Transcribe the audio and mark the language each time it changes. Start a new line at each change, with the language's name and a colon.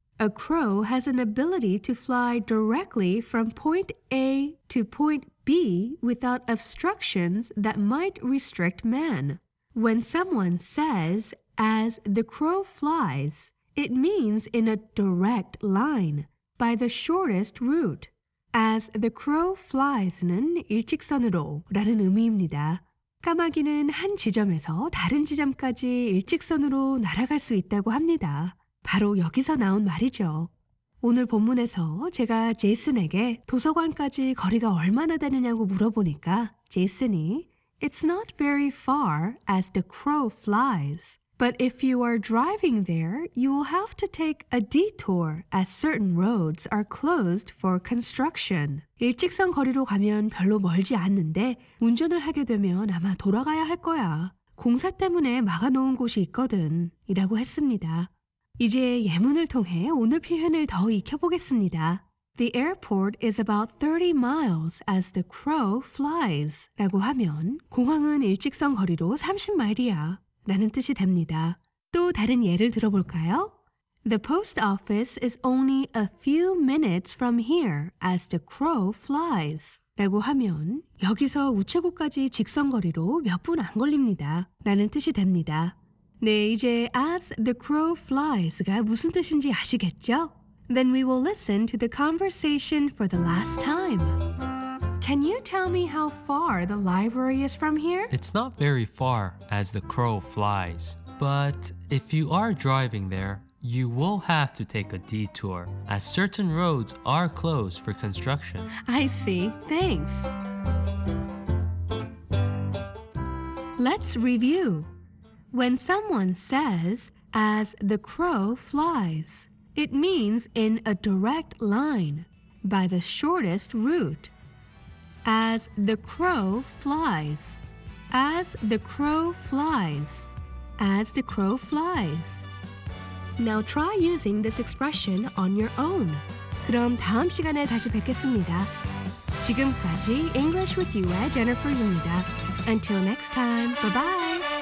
English: A crow has an ability to fly directly from point A to point B without obstructions that might restrict man. When someone says, as the crow flies, it means in a direct line, by the shortest route.
Korean: As the crow flies는 일직선으로 라는 의미입니다. 까마귀는 한 지점에서 다른 지점까지 일직선으로 날아갈 수 있다고 합니다. 바로 여기서 나온 말이죠. 오늘 본문에서 제가 제이슨에게 도서관까지 거리가 얼마나 되느냐고 물어보니까 제이슨이
English: It's not very far as the crow flies, but if you are driving there, you will have to take a detour as certain roads are closed for construction.
Korean: 일직선 거리로 가면 별로 멀지 않는데 운전을 하게 되면 아마 돌아가야 할 거야. 공사 때문에 막아놓은 곳이 있거든, 이라고 했습니다. 이제 예문을 통해 오늘 표현을 더 익혀보겠습니다.
English: The airport is about 30 miles as the crow flies.
Korean: 라고 하면 공항은 일직선 거리로 30마일이야 라는 뜻이 됩니다. 또 다른 예를 들어볼까요?
English: The post office is only a few minutes from here as the crow flies.
Korean: 라고 하면 여기서 우체국까지 직선 거리로 몇 분 안 걸립니다 라는 뜻이 됩니다. 네, 이제 as the crow flies가 무슨 뜻인지 아시겠죠?
English: Then we will listen to the conversation for the last time. Can you tell me how far the library is from here? It's not very far as the crow flies. But if you are driving there, you will have to take a detour, as certain roads are closed for construction. I see. Thanks. Let's review. When someone says, as the crow flies, it means in a direct line, by the shortest route. As the crow flies. As the crow flies. As the crow flies. Now try using this expression on your own.
Korean: 그럼 다음 시간에 다시 뵙겠습니다. 지금까지 English with you의 Jennifer입니다.
English: Until next time, bye-bye.